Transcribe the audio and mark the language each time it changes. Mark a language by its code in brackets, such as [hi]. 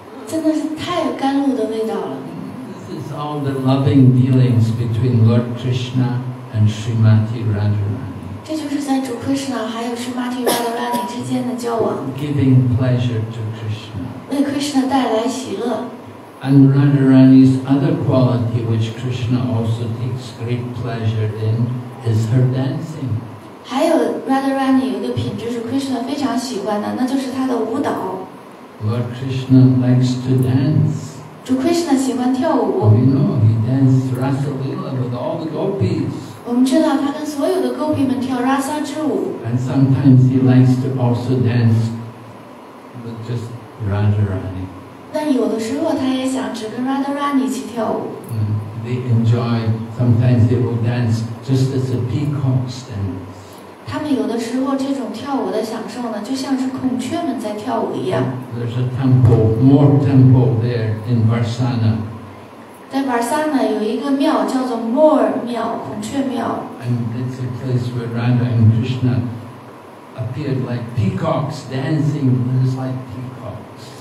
[zh] 真的是太甘露的味道了。 [en] This is all the loving dealings between Lord Krishna and Srimati Radharani. [zh] 这就是在主 Krishna 还有 Srimati Radharani 之间的交往。 [en] Giving pleasure to Krishna. [zh] 为 Krishna 带来喜乐。 [en] And Radharani's other quality, which Krishna also takes great pleasure in, is her dancing. [zh] 还有 Radharani 有一个品质是 Krishna 非常喜欢的，那就是她的舞蹈。 [en] Lord Krishna likes to dance. [zh] 主 Krishna 喜欢跳舞。 [en] We know he danced Rasa Lila with all the gopis. [zh] 我们知道他跟所有的 gopi 们跳 Rasa 之舞。 [en] And sometimes he likes to also dance, but just. Radharani. [zh] 但有的时候他也想只跟 Radharani 去跳舞。 [en] They enjoy, sometimes they will dance just as a peacock stands. [zh] 他们有的时候这种跳舞的享受呢，就像是孔雀们在跳舞一样。 [en] There's a temple, more temple there in Varsana. [zh] 在 Varsana 有一个庙叫做 More 庙，孔雀庙。 [en] And it's a place where Radha and Krishna appeared like peacocks dancing, and it's like peacocks.